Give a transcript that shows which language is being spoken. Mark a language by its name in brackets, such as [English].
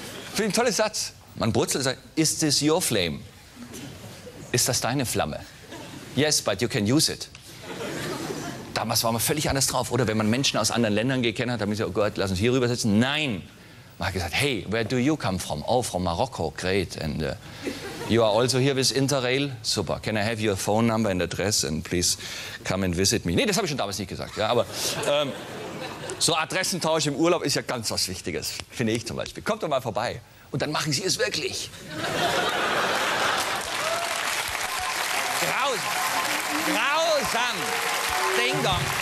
[German] Finde ich ein toller Satz. Man brutzelt und sagt, [English] is this your flame? [German] Ist das deine Flamme? [English] Yes, but you can use it. [German] Damals war man völlig anders drauf. Oder wenn man Menschen aus anderen Ländern gekennt hat, dann haben sie gesagt, oh Gott, lass uns hier rübersetzen. Nein. Man hat gesagt, hey, [English] where do you come from? Oh, from Morocco, great. And you are also here with Interrail? Super. Can I have your phone number and address? And please come and visit me. [German] Nee, das habe ich schon damals nicht gesagt. Ja, aber so Adressentausch im Urlaub ist ja ganz was Wichtiges, finde ich zum Beispiel. Kommt doch mal vorbei. Und dann machen Sie es wirklich. Grausam. Ding dong.